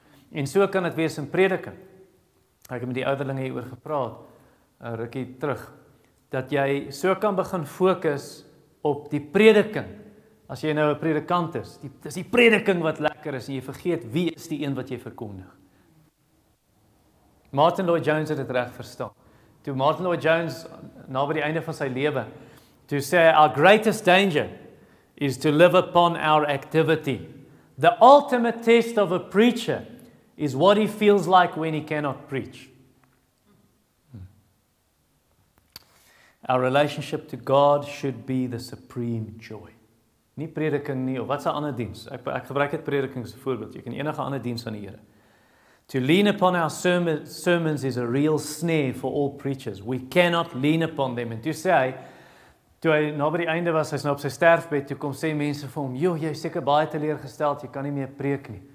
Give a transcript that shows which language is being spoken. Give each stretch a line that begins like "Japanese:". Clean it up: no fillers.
Afrikaans: En so kan het wees in prediking. Ek het met die ouderlinge hier oor gepraat, een rukkie terug, dat jy so kan begin fokus op die prediking, as jy nou 'n predikant is. Dis die prediking wat lekker is, en jy vergeet wie is die een wat jy verkondig. Martin Lloyd-Jones het het reg verstaan. Toe Martin Lloyd-Jones, na by die einde van sy lewe, toe sê,
English: our greatest danger is to live upon our activity. The ultimate test of a preacher is what he feels like when he cannot preach. Our relationship to God should be the supreme joy.
Afrikaans: Nie prediking nie, of wat is 'n ander diens? Ek gebruik het prediking as 'n voorbeeld. Jy kan enige ander diens aan die Here.
English: To lean upon our sermons is a real snare for all preachers. We cannot lean upon them.
Afrikaans: En toe sê hy, toe hy na by die einde was, hy is nou op sy sterfbed, toe kom sê mense vir hom, joh, jy is seker baie teleurgesteld, jy kan nie meer preek nie.